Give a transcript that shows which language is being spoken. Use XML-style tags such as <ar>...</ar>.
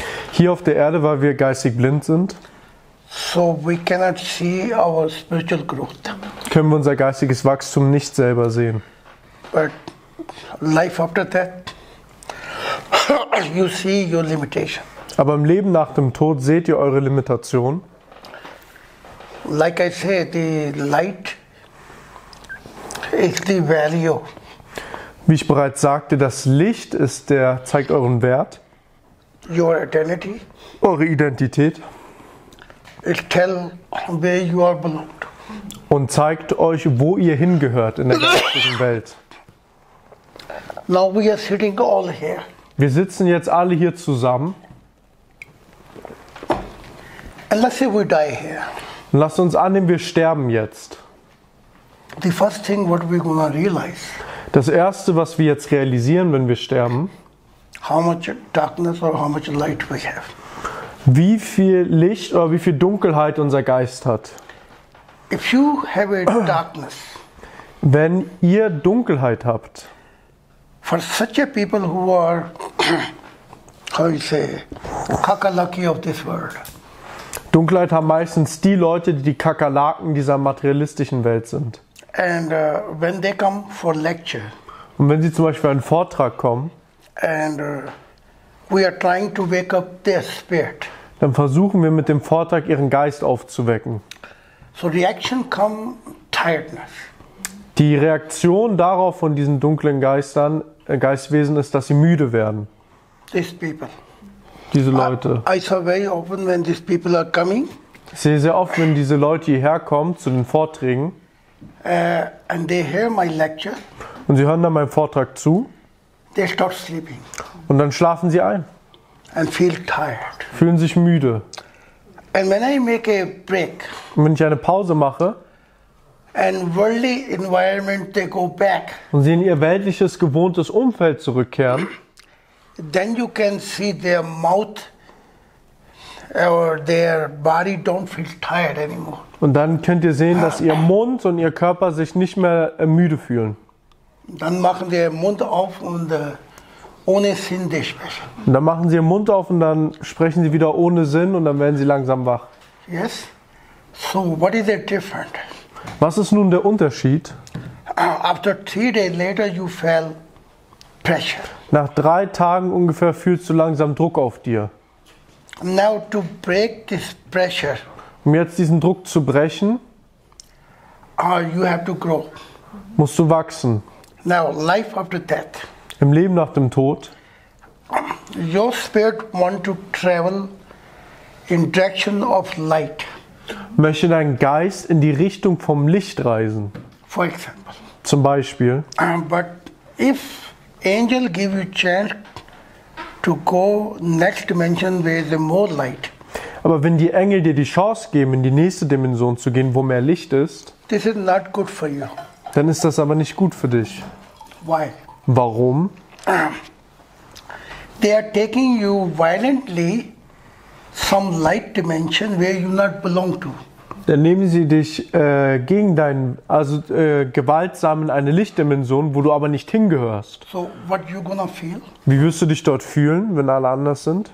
<de>Hier auf der Erde, weil wir geistig blind sind.</de> <en>So we cannot see our spiritual growth.</en> <de>Können wir unser geistiges Wachstum nicht selber sehen.</de> <en>But life after that, you see your limitation.</en> <de>Aber im Leben nach dem Tod seht ihr eure Limitation.</de> <en>Like I say, the light is the value.</en> <de>Wie ich bereits sagte, das Licht ist der, zeigt euren Wert.</de> <en>Your identity.</en> <de>Eure Identität.</de> <en>It tell where you are belonged.</en> <de>Und zeigt euch, wo ihr hingehört in der geistigen Welt.</de> <en>Now we are sitting all here.</en> <de>Wir sitzen jetzt alle hier zusammen.</de> <en>And let's say we die here.</en> <de>Lasst uns annehmen, wir sterben jetzt.</de> <en>The first thing what we gonna realize.</en> <de>Das erste, was wir jetzt realisieren, wenn wir sterben,</de> <en>how much darkness or how much light we have.</en> <de>Wie viel Licht oder wie viel Dunkelheit unser Geist hat.</de> <en>If you have a darkness,</en> <de>wenn ihr Dunkelheit habt,</de> <en>for such a people who are, how you say, kakalaki of this world.</en> <de>Dunkelheit haben meistens die Leute, die die Kakerlaken dieser materialistischen Welt sind.</de> <en>And when they come for lecture,</en> <de>und wenn sie zum Beispiel einen Vortrag kommen,</de> <en>and we are trying to wake up their spirit,</en> <de>dann versuchen wir mit dem Vortrag ihren Geist aufzuwecken.</de> <en>So reaction come tiredness.</en> <de>Die Reaktion darauf von diesen dunklen Geistern, Geistwesen ist, dass sie müde werden.</de> <en>These people.</en> <de>Diese Leute.</de> <en>I saw very often when these people are coming.</en> <de>Ich sehe sehr oft, wenn diese Leute hierher kommen zu den Vorträgen.</de> <en>And they hear my lecture.</en> <de>Und sie hören dann meinen Vortrag zu.</de> <en>They stop sleeping.</en> <de>Und dann schlafen sie ein.</de> <en>And feel tired.</en> <de>Fühlen sich müde.</de> <en>And when I make a break.</en> <de>Und wenn ich eine Pause mache.</de> <en>And worldly environment they go back.</en> <de>Und sie in ihr weltliches gewohntes Umfeld zurückkehren.</de> <en>Then you can see their mouth or their body don't feel tired anymore.</en> <de>Und dann könnt ihr sehen, dass ihr Mund und ihr Körper sich nicht mehr müde fühlen. Dann machen sie ihren Mund auf und ohne Sinn die sprechen. Und dann machen sie ihren Mund auf und dann sprechen sie wieder ohne Sinn und dann werden sie langsam wach.</de> <en>Yes. So what is the difference?</en> <de>Was ist nun der Unterschied?</de> <en>After 3 days later you feel pressure.</en> <de>Nach 3 Tagen ungefähr fühlst du langsam Druck auf dir.</de> <en>Now to break this pressure.</en> <de>Um jetzt diesen Druck zu brechen,</de> <en>you have to grow.</en> <de>Musst du wachsen.</de> <en>Now, life after death.</en> <de>Im Leben nach dem Tod.</de> <en>Your spirit want to travel in direction of light.</en> <de>Möchte dein Geist in die Richtung vom Licht reisen.</de> <en>For example.</en> <de>Zum Beispiel.</de> <en>But if angel give you chance to go next dimension where the more light.</en> <de>Aber wenn die Engel dir die Chance geben, in die nächste Dimension zu gehen, wo mehr Licht ist,</de> <en>this is not good for you.</en> <de>Dann ist das aber nicht gut für dich.</de> <en>Why?</en> <de>Warum?</de> <en>They are taking you violently some light dimension where you not belong to.</en> <de>Dann nehmen sie dich gewaltsam in eine Lichtdimension, wo du aber nicht hingehörst.</de> <en>So what you gonna feel?</en> <de>Wie wirst du dich dort fühlen, wenn alle anders sind?</de>